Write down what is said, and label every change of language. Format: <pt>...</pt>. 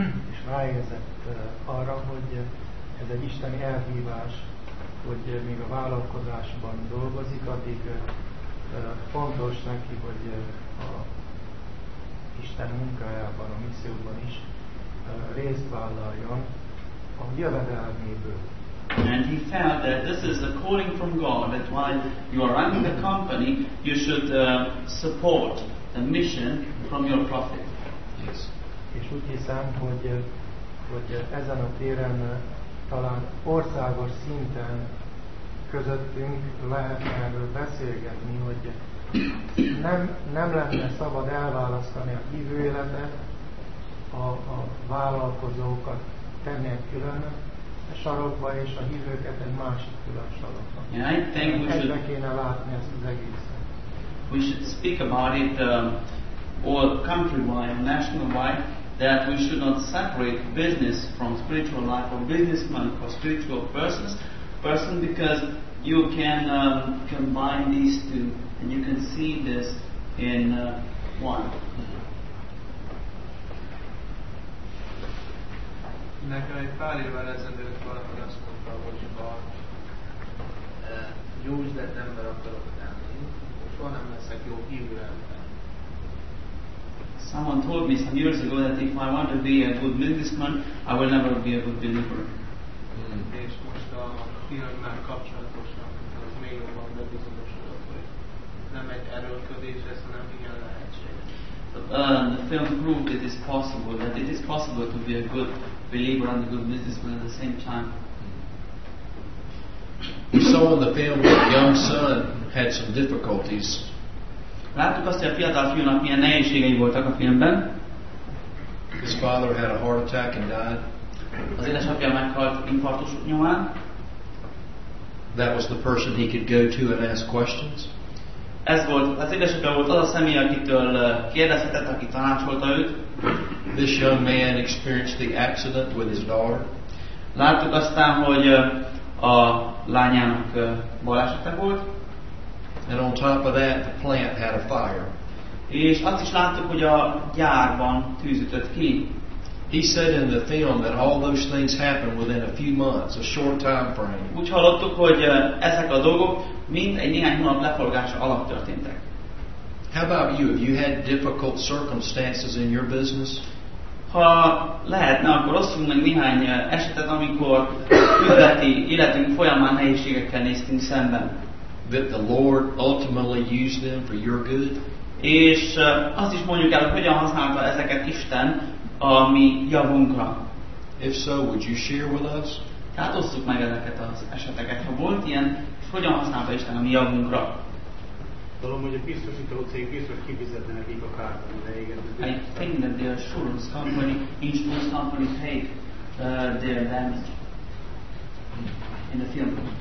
<hu>És rájezett arra, hogy ez egy isteni elhívás, hogy még a vállalkozásban dolgozik, addig fontos neki, hogy a Isten munkájában, a misszióban is részt vállaljon a jövedelméből.</hu> <en>And he felt that this is a calling from God, that while you are running the company, you should support the mission from your profit. Yes.</en> <hu>És úgy hiszem, hogy ezen a téren talán országos szinten közöttünk lehet erről beszélgetni, hogy nem lenne szabad elválasztani a hívő életet, a vállalkozókat tenni külön a sarokba, és a hívőket egy másik külön sarokba.</hu> <en>And I think we should,</en> <hu>kéne látni ezt az egészet.</hu> <en>We should speak about it all countrywide, nationwide, that we should not separate business from spiritual life, or businessman from spiritual person, because you can combine these two, and you can see this in one.</en> <hu>Nekem egy pár évvel ezelőtt valaki azt mondta, hogy ha jó üzletember akarok lenni, akkor soha nem leszek jó hívő ember.</hu> <en>Someone told me some years ago that if I want to be a good businessman, I will never be a good believer.</en> <hu>És most a filmmel kapcsolatosan, az még jobban bebizonyosodott, hogy nem egy erőlködés lesz, hanem igen lehetség.</hu> <en>The film proved it is possible, that it is possible to be a good believer and a good businessman at the same time. We saw in the film that the young son had some difficulties.</en> <hu>Láttuk azt, hogy a fiatal fiúnak milyen nehézségei voltak a filmben.</hu> <en>His father had a heart attack and died.</en> <hu>Az édesapja meghalt infarktus nyomán.</hu> <en>That was the person he could go to and ask questions.</en> <hu>Ez volt, az édesapja volt az a személy, akitől kérdezhetett, aki tanácsolta őt.</hu> <en>This young man experienced the accident with his daughter.</en> <hu>Láttuk aztán, hogy a lányának balesete volt.</hu> <en>And on top of that, the plant had a fire.</en> <hu>És azt is láttuk, hogy a gyárban tűz ütött ki.</hu> <en>He said in the film that all those things happened within a few months, a short time frame.</en> <hu>Úgy hallottuk, hogy ezek a dolgok mind egy néhány hónap leforgása alatt történtek.</hu> <en>How about you? Have you had difficult circumstances in your business?</en> <hu>Ha lehetne, akkor osszunk meg néhány esetet, amikor üzleti életünk folyamán nehézségekkel néztünk szemben.</hu> <en>That the Lord ultimately used them for your good.</en> <hu>És azt is mondjuk el, hogy hogyan használta ezeket Isten a mi javunkra.</hu> <en>If so, would you share with us?</en> <hu>Tehát osszuk meg ezeket az eseteket, ha volt ilyen, és hogyan használta Isten a mi javunkra. Tudom, hogy a biztosító cég biztos kifizette nekik a kárt, de igen.</hu> <en>I think that the insurance company, paid their damage in the film.</en>